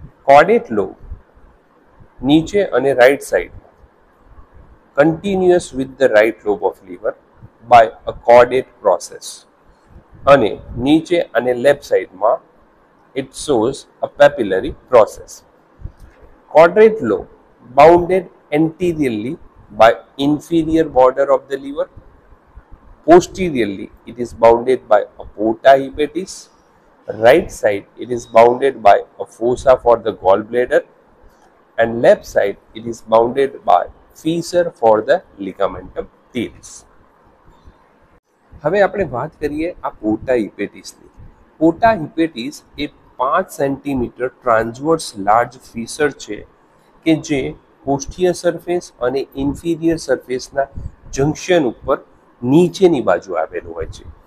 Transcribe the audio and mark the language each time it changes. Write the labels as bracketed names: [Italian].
[English] caudate lobe [Gujarati] નીચે અને [English] Right સાઇડમાં continuous with the right lobe of liver by a caudate process. [Gujarati] અને નીચે અને લેફ્ટ સાઇડમાં [English] It shows a papillary process. Caudate lobe bounded anteriorly by inferior border of the liver. Posteriorly, it is bounded by a porta hepatis. Right side, it is bounded by a fossa for the gallbladder. And left side, it is bounded by fissure for the ligamentum teres. [Gujarati] હવે આપણે વાત કરીએ આ પોર્ટા હિપેટિસની. પોર્ટા હિપેટિસ એ 5 centimetre transverse large ફિસર છે કે જે પોસ્ટિયર surface અને inferior સરફેસના જંકશન ઉપર નીચેની બાજુ આવેલું હોય છે.